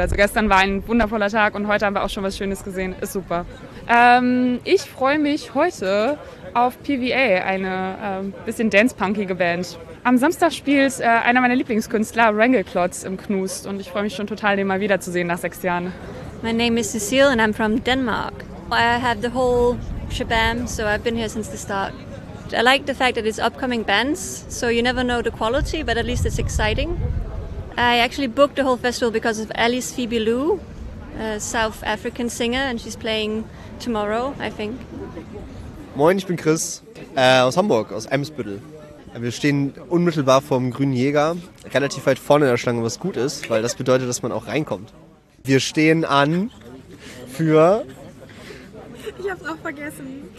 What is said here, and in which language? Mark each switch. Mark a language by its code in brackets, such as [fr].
[de] Also gestern war ein wundervoller Tag und heute haben wir auch schon was Schönes gesehen. Ist super. Ich freue mich heute auf PVA, eine bisschen dance-punkige Band. Am Samstag spielt einer meiner Lieblingskünstler, Wrangelklotz, im Knust. Und ich freue mich schon total, den mal wiederzusehen nach 6 Jahren. [en] My name is Cecile and I'm from Denmark. I have the whole shabam, so I've been here since the start. I like the fact that it's upcoming bands, so you never know the quality, but at least it's exciting. I actually booked the whole festival because of Alice Phoebe Lou, a South African singer, and she's playing tomorrow, I think. [de] Moin, ich bin Chris aus Hamburg, aus Eimsbüttel. Wir stehen unmittelbar vor dem Grünen Jäger, relativ weit vorne in der Schlange, was gut ist, weil das bedeutet, dass man auch reinkommt. Wir stehen an für... Ich hab's auch vergessen.